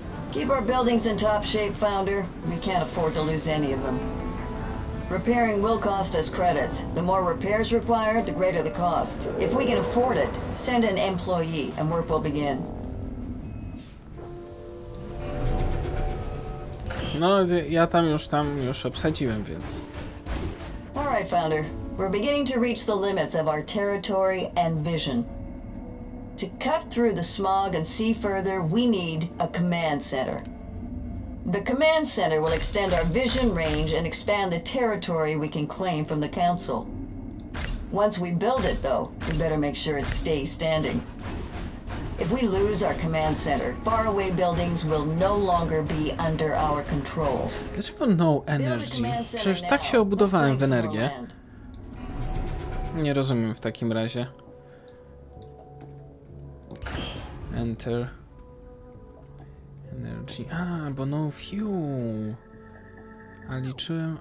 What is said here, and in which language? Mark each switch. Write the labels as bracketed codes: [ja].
[en] Keep our buildings in top shape, Founder. We can't afford to lose any of them. Repairing will cost us credits. The more repairs required, the greater the cost. If we can afford it, send an employee and work will begin. [pl] No, ja tam już obsadziłem, więc... [en] All right, Founder. We're beginning to reach the limits of our territory and vision. To cut through the smog and see further, we need a command center. The command center will extend our vision range and expand the territory we can claim from the council. Once we build it, though, we better make sure it stays standing. If we lose our command center, faraway buildings will no longer be under our control. [pl] Dlaczego [en] no energy? [pl] Przecież tak się obudowałem w energię. Nie rozumiem w takim razie. [en] Enter. Energy. [pl] A, bo [en] no fuel. [pl] A liczyłem.